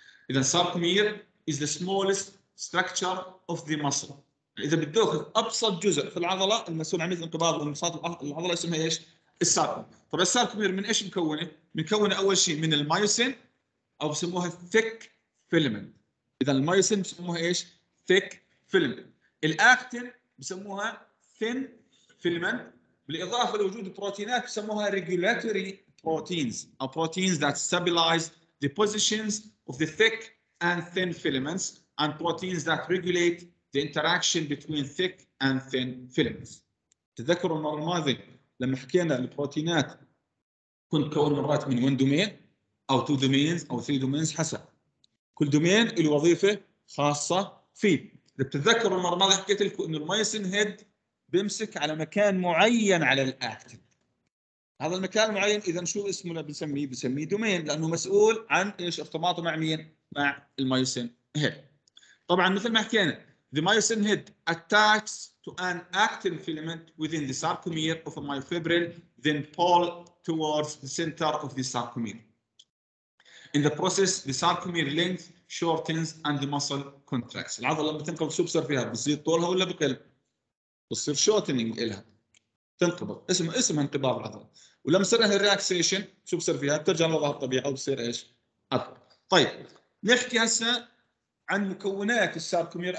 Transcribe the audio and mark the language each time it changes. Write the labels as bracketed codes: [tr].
[ar] اذا الساركومير [en] is the smallest structure of the muscle. [ar] اذا بدك ابسط جزء في العضله المسؤول عن الانقباض والانبساط العضله اسمها ايش؟ الساركومير. طب الساركومير من ايش مكونه؟ مكونه اول شيء من المايوسين او بسموها thick filament. اذا المايوسين بسموها ايش؟ thick filament. الاكتين بسموها thin filament. بالإضافة لوجود بروتينات يسموها [en] regulatory proteins or proteins that stabilize the positions of the thick and thin filaments and proteins that regulate the interaction between thick and thin filaments. [ar] تذكروا المرة الماضية لما حكينا البروتينات كن تكون مرات من one domain أو two domains أو three domains حسب كل domain له وظيفة خاصة فيه. تذكروا المرة الماضية حكيت لكم أن الميوسين هيد بيمسك على مكان معين على الاكتين. هذا المكان المعين اذا شو اسمه اللي بنسميه؟ بنسميه دومين، لانه مسؤول عن ايش؟ ارتباطه مع مين؟ مع المايوسين هيد. طبعا مثل ما حكينا [en] the myosin head attacks to an actin filament within the sarcomere of a myofibril then pull towards the center of the sarcomere. In the process the sarcomere length shortens and the muscle contracts. [ar] العضله لما تنقبض شو بصير فيها؟ بصير طولها ولا بقل؟ بصير شورتنينج لها تنقبض اسمها انقباض العضله. ولما يصير لها الريلاكسيشن شو بصير فيها؟ بترجع لوضعها الطبيعي او بصير ايش؟ اطول. طيب نحكي هسه عن مكونات الساركومير.